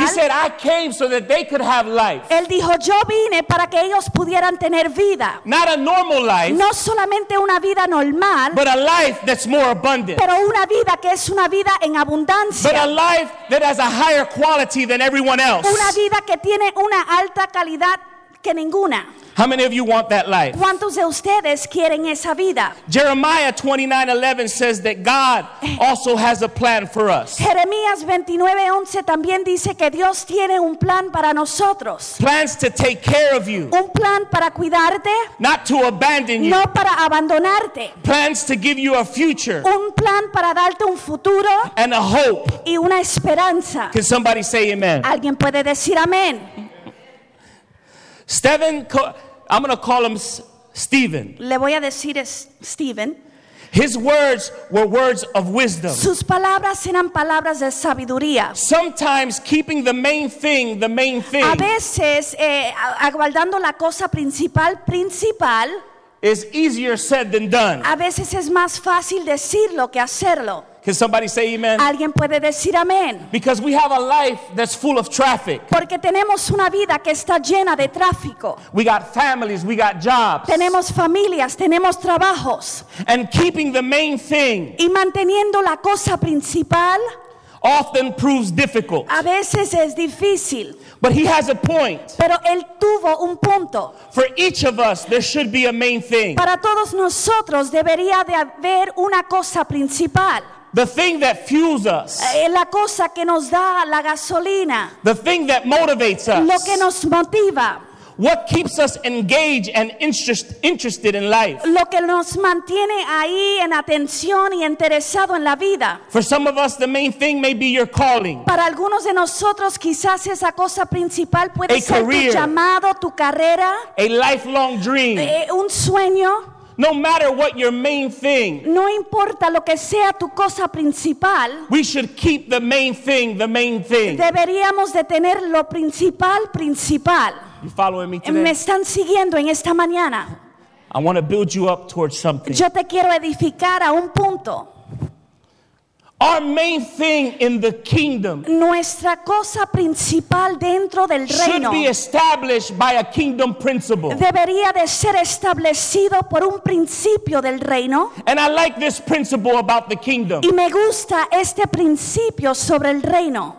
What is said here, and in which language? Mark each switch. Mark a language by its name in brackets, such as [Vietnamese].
[English] He said, I came so that they could have life. [Spanish] Él dijo, yo vine para que ellos pudieran tener vida. [English] Not a normal life. [Spanish] No solamente una vida normal. [English] But a life that's more abundant. [Spanish] Pero una vida que es una vida en abundancia. [English] But a life that has a higher quality than everyone else. [Spanish] Una vida que tiene una alta calidad que ninguna. [English] How many of you want that life? [Spanish] ¿Cuántos de ustedes quieren esa vida? [English] Jeremiah 29:11 says that God also has a plan for us. [Spanish] Jeremías 29:11 también dice que Dios tiene un plan para nosotros. [English] Plans to take care of you. [Spanish] Un plan para cuidarte. [English] Not to abandon you. [Spanish] No para abandonarte. [English] Plans to give you a future. [Spanish] Un plan para darte un futuro. [English] And a hope. [Spanish] Y una esperanza. [English] Can somebody say amen? [Spanish] ¿Alguien puede decir amén? [English] Stephen, I'm going to call him Stephen. [Spanish] Le voy a decir Stephen. [English] His words were words of wisdom. [Spanish] Sus palabras eran palabras de sabiduría. [English] Sometimes keeping the main thing, the main thing. [Spanish] A veces, aguardando la cosa principal, principal. [English] Is easier said than done. [Spanish] A veces es más fácil decirlo que hacerlo. [English] Can somebody say amen? [Spanish] ¿Alguien puede decir amén? [English] Because we have a life that's full of traffic. [Spanish] Porque tenemos una vida que está llena de tráfico. [English] We got families, we got jobs. [Spanish] Tenemos familias, tenemos trabajos. [English] And keeping the main thing. [Spanish] Y manteniendo la cosa principal. [English] Often proves difficult. [Spanish] A veces es difícil. [English] But he has a point. [Spanish] Pero él tuvo un punto. [English] For each of us, there should be a main thing. [Spanish] Para todos nosotros debería de haber una cosa principal. [English] The thing that fuels us. [Spanish] La cosa que nos da la gasolina. [English] The thing that motivates us. [Spanish] Lo que nos motiva. [English] What keeps us engaged and interested in life. [Spanish] Lo que nos mantiene ahí en atención y interesado en la vida. [English] For some of us, the main thing may be your calling. [Spanish] Para algunos de nosotros, quizás esa cosa principal puede [English] a [Spanish] ser [English] career, [Spanish] tu llamado, tu carrera. [English] A lifelong dream. [Spanish] Un sueño. [English] No matter what your main thing. [Spanish] No importa lo que sea tu cosa principal. [English] We should keep the main thing, the main thing. [Spanish] Deberíamos de tener lo principal, principal. [English] You following me today? [Spanish] Me están siguiendo en esta mañana. [English] I want to build you up towards something. [Spanish] Yo te quiero edificar a un punto. [English] Our main thing in the kingdom. [Spanish] Nuestra cosa principal dentro del [English] should [Spanish] reino. [English] Should be established by a kingdom principle. [Spanish] Debería de ser establecido por un principio del reino. [English] And I like this principle about the kingdom. [Spanish] Y me gusta este principio sobre el reino.